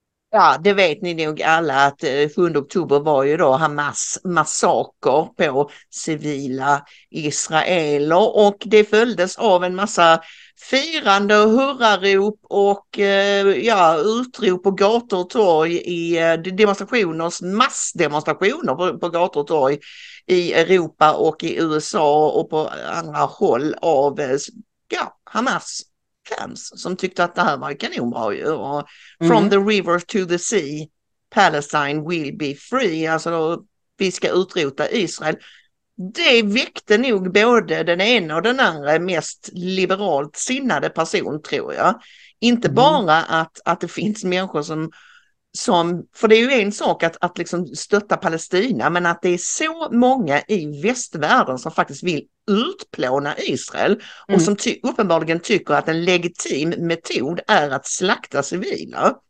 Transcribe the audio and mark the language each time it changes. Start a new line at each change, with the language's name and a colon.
Swedish: Ja, det vet ni nog alla att 7 oktober var ju då Hamas-massaker på civila israeler, och det följdes av en massa firande och hurrarop och utrop på gator och torg i demonstrationer, massdemonstrationer på gator och torg i Europa och i USA och på andra håll av Hamas. Som tyckte att det här var kanonbra ju.
English: From the river to the sea, Palestine will be free.
Swedish: Alltså då, vi ska utrota Israel. Det väckte nog både den ena och den andra mest liberalt sinnade person, tror jag. Inte bara att det finns människor som, för det är ju en sak att liksom stötta Palestina, men att det är så många i västvärlden som faktiskt vill utplåna Israel och som uppenbarligen tycker att en legitim metod är att slakta civila.